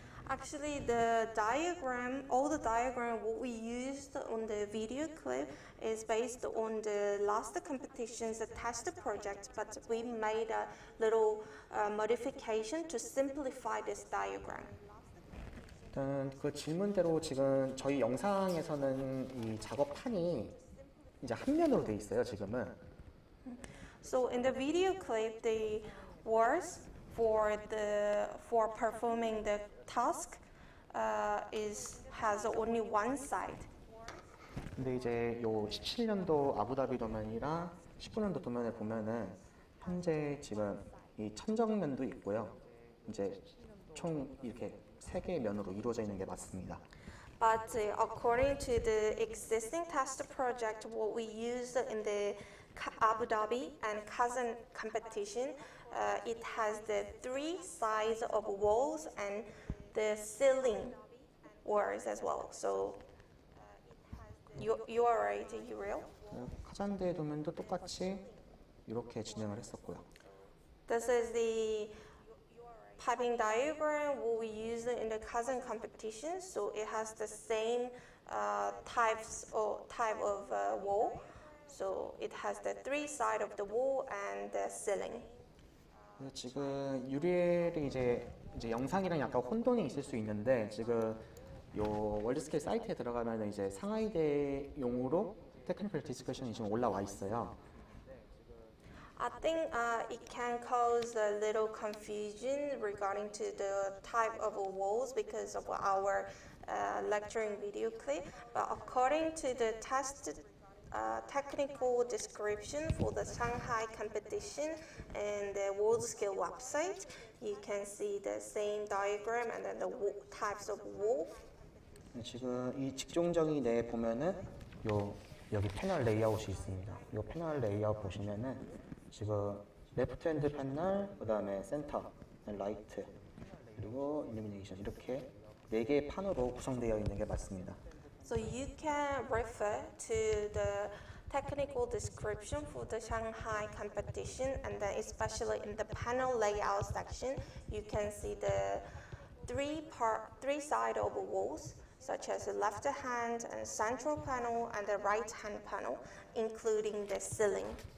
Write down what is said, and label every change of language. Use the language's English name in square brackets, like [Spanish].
[English] Actually, the diagram, all the diagram what we used on the video clip is based on the last competition's test project, but we made a little modification to simplify this diagram. [Korean] 일단 그 질문대로 지금 저희 영상에서는 이 작업판이 이제 한 면으로 돼 있어요, 지금은. [English] So in the video clip, the words for the for performing the task has only one side. [Korean] 근데 이제 요 17년도 아부다비 도면이랑 19년도 도면을 보면은 현재 지금 이 천정면도 있고요. 이제 총 이렇게 세 개의 면으로 이루어져 있는 게 맞습니다. [English] But according to the existing test project, what we use in the Abu Dhabi and Kazan competition, it has the three sides of walls and the ceiling walls as well. So you are right, Uriel. [Korean] 카잔대 도면도 똑같이 이렇게 진행을 했었고요. [English] This is the piping diagram what we use in the Kazan competition, so it has the same type of wall. So it has the three side of the wall and the ceiling. [Korean] 지금 유리엘이 이제 영상이랑 약간 혼돈이 있을 수 있는데 지금 요 월드스케일 사이트에 들어가면 이제 상하이대용으로 테크니컬 디스커션이 지금 올라와 있어요. [English] I think it can cause a little confusion regarding to the type of walls because of our lecturing video clip. But according to the test technical description for the Shanghai competition and the WorldScale website, you can see the same diagram and then the types of wall. [Korean] 지금 이 직종정의 내에 보면은 요 여기 패널 레이아웃이 있습니다. 요 패널 레이아웃 보시면은 지금 레프트핸드 패널, 그다음에 센터, 라이트, 그리고 일루미네이션 이렇게 네 개의 판으로 구성되어 있는 게 맞습니다. [English] So you can refer to the technical description for the Shanghai competition, and then especially in the panel layout section, you can see the three side of walls, such as the left hand and central panel and the right hand panel, including the ceiling.